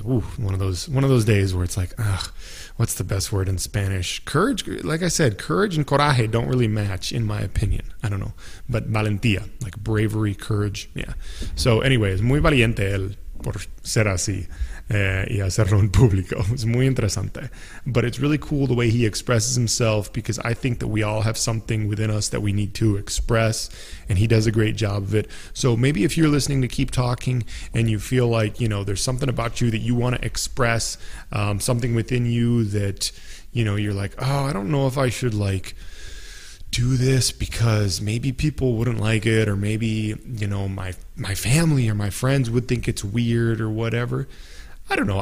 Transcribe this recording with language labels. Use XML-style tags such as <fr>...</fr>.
<en>Ooh, one of those days where it's like, ugh, what's the best word in Spanish? Courage, like I said, courage and coraje don't really match, in my opinion. I don't know, but valentía, like bravery, courage. Yeah. So, anyways,</en> <es>muy valiente él por ser así y hacerlo en público.</es> <en>It's</en> <es>muy interesante,</es> <en>but it's really cool the way he expresses himself, because I think that we all have something within us that we need to express, and he does a great job of it. So maybe if you're listening to Keep Talking and you feel like, you know, there's something about you that you want to express, something within you that, you know, you're like, oh, I don't know if I should like do this because maybe people wouldn't like it, or maybe, you know, my family or my friends would think it's weird or whatever. I don't know.</en>